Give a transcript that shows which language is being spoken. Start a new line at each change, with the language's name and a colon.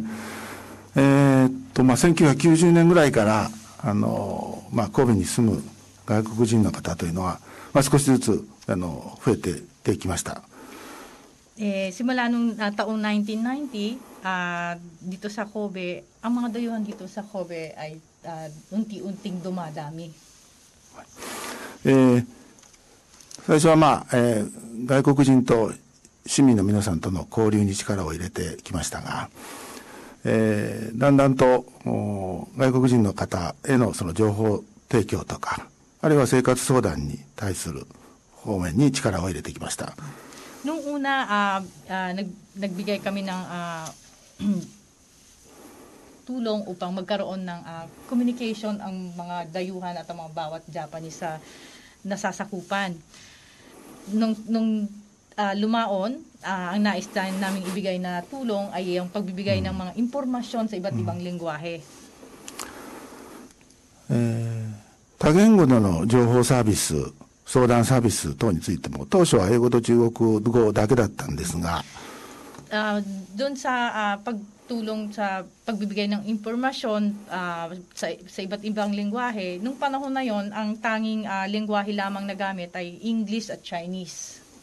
Japanese: まあ1990年ぐらいからまあ神戸に住む外国人の方というのは、まあ、少しずつ増えてできました。
Filipino: simula nung taong 1990 dito sa Kobe, ang mga dayuhan dito sa Kobe ay unti-unting dumadami.
Japanese: 最初は、まあ外国人と市民の皆さんとの交流に力を入れてきましたが、だんだんと外国人の方へのその情報提供とか、あるいは生活相談に対する方面に力を入れてきました。
Filipino: Noong una, nagbigay kami ng tulong upang magkaroon ng communication ang mga dayuhan at ang mga bawat Japanese sa nasasakupan. Nung lumaon, ang nais namin ibigay na tulong ay yung pagbibigay ng mga impormasyon sa iba't ibang lingwahe.
Japanese: Tagenggo no jōhō sabisu, 相談サービス等についても当初は英語と中国語だけだったんですが、
Filipino: doon sa pagtulong sa pagbibigay ng impormasyon sa iba't ibang lingwahe, nung panahon na yon ang tanging lingwahe lamang na gamit ay English at Chinese.